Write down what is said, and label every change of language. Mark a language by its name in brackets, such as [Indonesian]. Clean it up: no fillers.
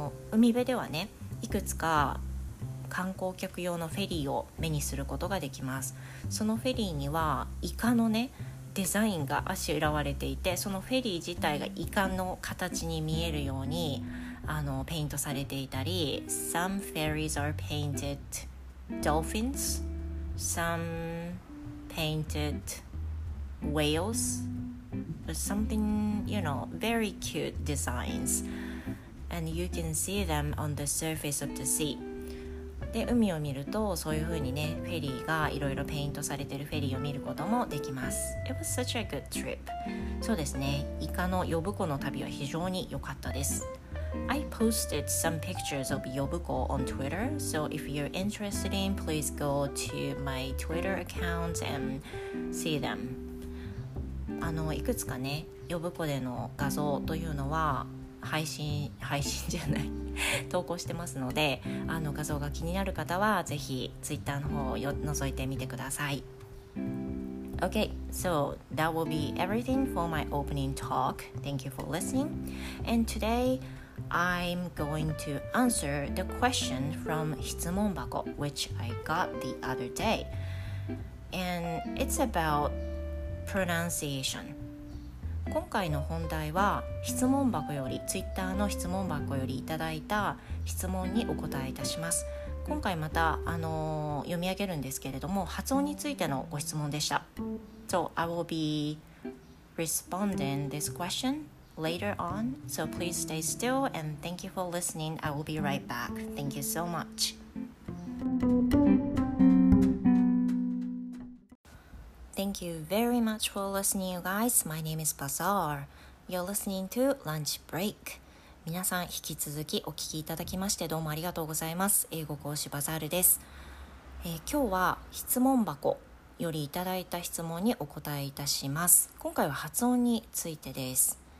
[Japanese] 海辺ではね、いくつか観光客用のフェリーを目にすることができます。そのフェリーにはイカのねデザインがあしらわれていて、そのフェリー自体がイカの形に見えるようにペイントされていたり、 [English] Some ferries are painted dolphins, some painted whalesSomething, you know, very cute designs. And you can see them on the surface of the sea. [Japanese] で、海を見るとそういう風にね、フェリーがいろいろペイントされてるフェリーを見ることもできます。 [English] It was such a good trip. [Japanese] そうですね。イカのヨブコの旅は非常に良かったです。 [English] I posted some pictures of Yobuko on Twitter. So if you're interested in, please go to my Twitter account and see them. [Japanese] いくつかね、ヨブコでの画像というのは配信じゃない投稿してますので、画像が気になる方はぜひツイッターの方を覗いてみてください。 [English] Okay, so that will be everything for my opening talk. Thank you for listening. And today I'm going to answer the question from 質問箱 which I got the other day. And it's aboutPronunciation. [Japanese] 今回の本題は質問箱より、 Twitter の質問箱よりいただいた質問にお答えいたします。今回また読み上げるんですけれども、発音についてのご質問でした。 [English] So I will be responding this question later on. So please stay still and thank you for listening. I will be right back. Thank you so much. Thank you very much for listening, you guys. My name is Bazaar. You're listening to Lunch Break. [Japanese] 皆さん引き続きお聞きいただきましてどうもありがとうございます。英語講師バザールです。今日は質問箱よりいただいた質問にお答えいたします。今回は発音についてです。